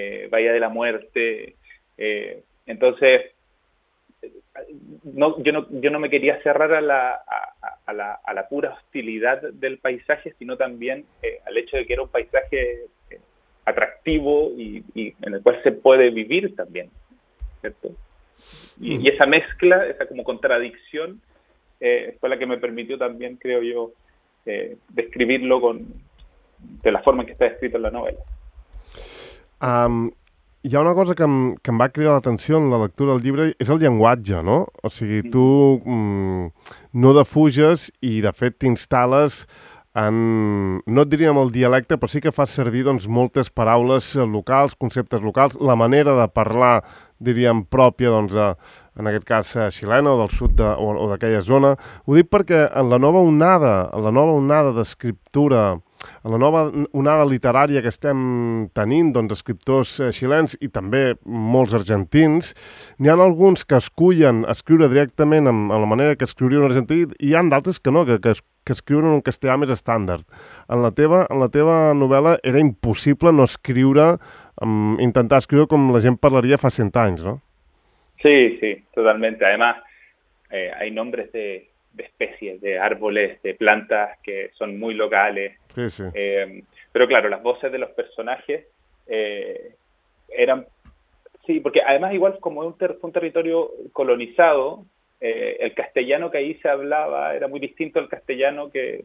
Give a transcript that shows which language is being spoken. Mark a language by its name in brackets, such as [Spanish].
[Spanish] Bahía de la Muerte. Entonces, no, yo no me quería cerrar a la pura hostilidad del paisaje, sino también al hecho de que era un paisaje atractivo y en el cual se puede vivir también, ¿cierto? Y esa mezcla, esa como contradicción, fue la que me permitió también, creo yo, describirlo de la forma en que está escrito en la novela. [Catalan] Hi ha una cosa que em va cridar l'atenció en la lectura del llibre, és el llenguatge, no? O sigui, tu no defuges i, de fet, t'instal·les en, no et diríem el dialecte, però sí que fas servir doncs, moltes paraules locals, conceptes locals, la manera de parlar, diríem, pròpia, doncs, en aquest cas, xilena o del sud de, o d'aquella zona. Ho dic perquè en la nova onada, d'escriptura, en la nova onada literària que estem tenint, doncs, escriptors xilens i també molts argentins, n'hi ha alguns que escullen escriure directament en la manera que escriuria un argentí i hi ha d'altres que no, que escriuen en un castellà més estàndard. En la teva novel·la era impossible no escriure, intentar escriure com la gent parlaria fa 100 anys, no? [Spanish] Sí, sí, totalmente. Además, hay nombres de especies, de árboles, de plantas que son muy locales. Sí, sí. Pero claro, las voces de los personajes eran... Sí, porque además igual como fue un territorio colonizado, el castellano que ahí se hablaba era muy distinto al castellano que...